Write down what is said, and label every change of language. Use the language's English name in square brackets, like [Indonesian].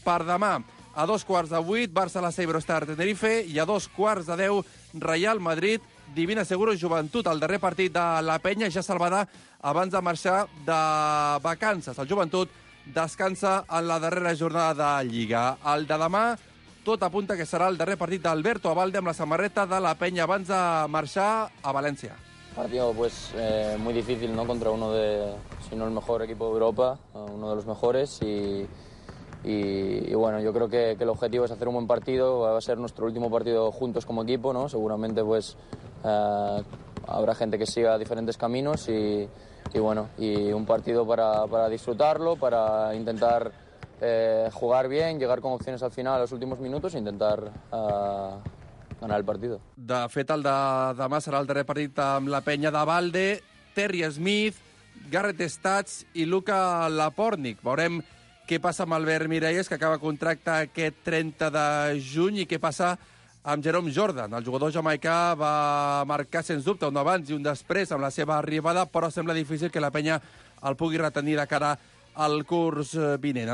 [Catalan] Per demà, a dos quarts de 8, Barça, La Seibro, Star, Tenerife, i a dos quarts de 10, Real Madrid, Divina Seguro, Joventut, el darrer partit de la penya ja salvada abans de marxar de vacances. El Joventut descansa en la darrera jornada de Lliga. El de demà, tot apunta que serà el darrer partit d'Alberto Abalde amb la samarreta de la penya abans de marxar a València. [Spanish] Partido pues muy difícil, ¿no? Contra uno de, si no el mejor equipo de Europa, uno de los mejores. Y bueno, yo creo que el objetivo es hacer un buen partido. Va a ser nuestro último partido juntos como equipo, ¿no? Seguramente pues habrá gente que siga diferentes caminos y un partido para disfrutarlo, para intentar jugar bien, llegar con opciones al final, a los últimos minutos, e intentar ganar el partido. [Catalan] De fet, el de demà serà el darrer partit amb la penya de Valde, Terry Smith, Garrett Stats i Luca Lapornik. Veurem què passa amb Albert Mireies, que acaba contracte aquest 30 de juny, i què passa amb Jerome Jordan. El jugador jamaicà va marcar, sens dubte, un abans i un després amb la seva arribada, però sembla difícil que la penya el pugui retenir de cara al curs vinent.